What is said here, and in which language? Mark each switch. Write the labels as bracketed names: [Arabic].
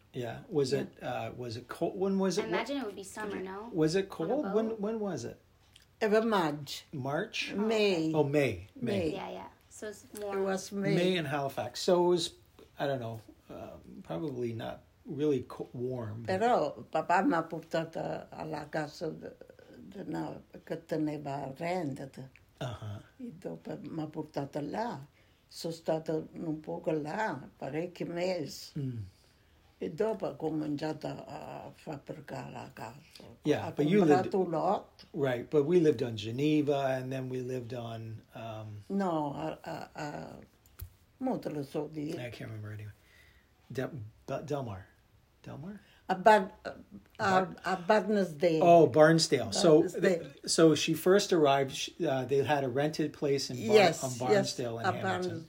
[English] Yeah. Was it cold? When was it? I imagine it would be summer, no? Was it cold? When was it? Ever March. March? Oh, May. Oh, May. May. Yeah, yeah. So it was May. May in Halifax. So it was, I don't know, probably not really warm. [Italian] Però papà mi ha portato alla casa che teneva a rendita. Uh-huh. E dopo mi ha portato là. Sono stata un poco là, parecchi mesi. Mm. E dopo ho cominciato a fabbricare la casa. [English] Yeah, but you lived... Lot. Right, but we lived on Geneva, and then we lived on... [Italian] No, molto lo so dire. [English] I can't remember anyway. Delmar? Delmar? Barnesdale. Oh, Barnesdale. So she first arrived, they had a rented place on Barnesdale in Hamilton.